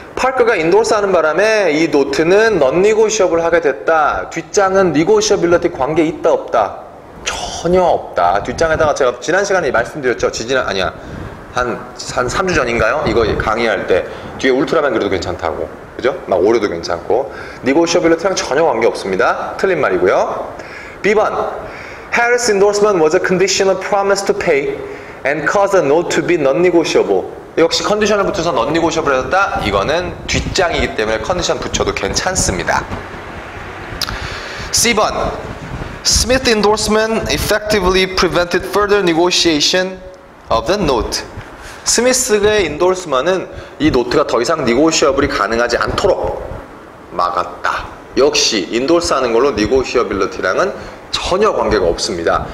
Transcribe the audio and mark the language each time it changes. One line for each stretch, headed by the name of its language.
Korean: Parker가 endorse하는 바람에 이 노트는 non-negotiable 하게 됐다. 뒷장은 negotiability 관계 있다 없다. 전혀 없다. 뒷장에다가 제가 지난 시간에 말씀드렸죠. 한 3주 전인가요? 이거 강의할 때 뒤에 울트라맨 그래도 괜찮다고. 그죠? 막 오류도 괜찮고. Negotiability랑 전혀 관계 없습니다. 틀린 말이고요.
English: B번 Harris endorsement was a conditional promise to pay and caused the note to be non-negotiable.
Korean: 역시 컨디션을 붙여서 non-negotiable 해줬다? 이거는 뒷장이기 때문에 컨디션 붙여도 괜찮습니다.
English: C번 Smith endorsement effectively prevented further negotiation of the note.
Korean: 스미스의 endorsement은 이 노트가 더 이상 negotiable이 가능하지 않도록 막았다. 역시 endorse 하는 걸로 negotiability랑은 전혀 관계가 없습니다.